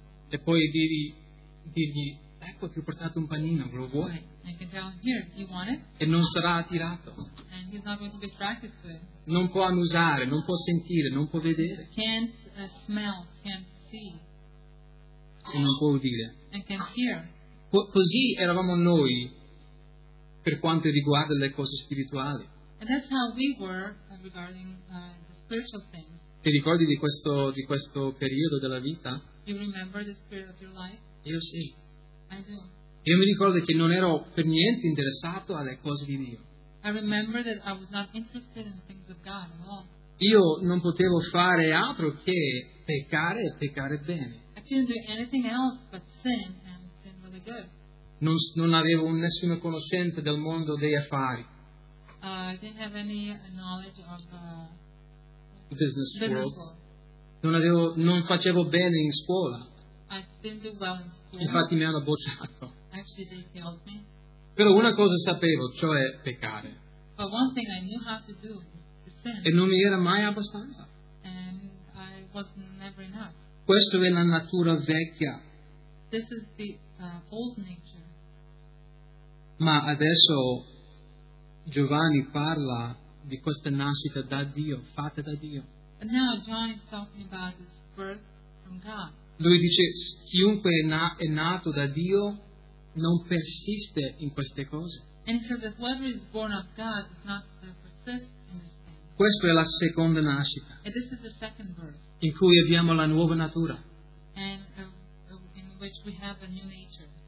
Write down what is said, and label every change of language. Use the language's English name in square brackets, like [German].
[Italian] E poi dirgli, ecco ti ho portato un panino, lo vuoi? [English] Right. And can tell him, here, you want it? [Italian] E non sarà attirato. [English] And he's not going to be attracted to it. [Italian] Non può annusare, non può sentire, non può vedere. [English] Can't smell, can't see. [Italian] E non può udire. [English] And can't hear. [Italian] Così eravamo noi per quanto riguarda le cose spirituali. [English] And that's how we were regarding the spiritual things. [Italian] Ti ricordi di questo periodo della vita? [English] You remember this period of your life? [Italian] Io sì. [English] I do. [Italian] Io mi ricordo che non ero per niente interessato alle cose di Dio. [English] I remember that I was not interested in things of God at all. [Italian] Io non potevo fare altro che peccare e peccare bene. [English] I couldn't do anything else but sin and sin really good. [Italian] Non avevo nessuna conoscenza del mondo degli affari. [English] I didn't have any knowledge of business world. [Italian] Non facevo bene in scuola. [English] I didn't do well in school. [Italian] Infatti mi hanno bocciato. [English] Actually, they failed me. [Italian] Però una cosa sapevo, cioè peccare. [English] But one thing I knew how to do is sin. [Italian] E non mi era mai abbastanza. [English] And I was never enough. [Italian] Questo è la natura vecchia. [English] This is the old nature. [Italian] Ma adesso Giovanni parla di questa nascita da Dio, fatta da Dio. [English] And now John is talking about his birth from God. [Italian] Lui dice chiunque è nato da Dio non persiste in queste cose. [English] And so that whoever is born of God does not persist in this thing. [Italian] Questa è la seconda nascita. [English] And this is the second birth. [Italian] In cui abbiamo la nuova natura. [English] And in which we have a new nature.